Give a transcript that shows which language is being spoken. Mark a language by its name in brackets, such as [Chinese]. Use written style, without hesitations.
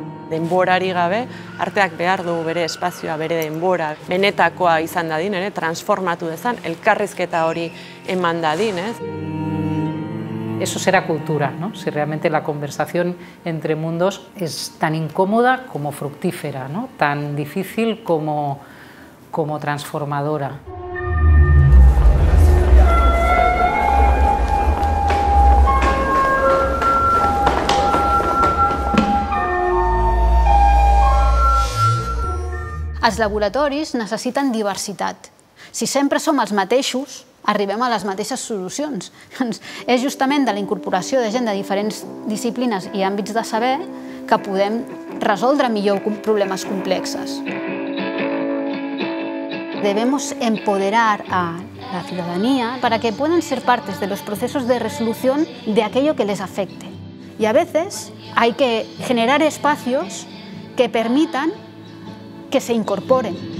[Basque] Denborari gabe, arteak behar du bere espazioa, bere denbora, benetakoa izan dadin, ere, transformatu dezan, elkarrizketa hori eman dadin, ez. [Spanish] Eso será cultura, ¿no? Si realmente la conversación entre mundos es tan incómoda como fructífera, ¿no? Tan difícil como transformadora. [Catalan] Els laboratoris necessiten diversitat. Si sempre som els mateixos, arribem a les mateixes solucions. És justament de la incorporació de gent de diferents disciplines i àmbits de saber que podem resoldre millor problemes complexos. [Spanish] Debemos empoderar a la ciudadanía para que puedan ser partes de los procesos de resolución de aquello que les afecte. Y a veces hay que generar espacios que permitan que se incorporen.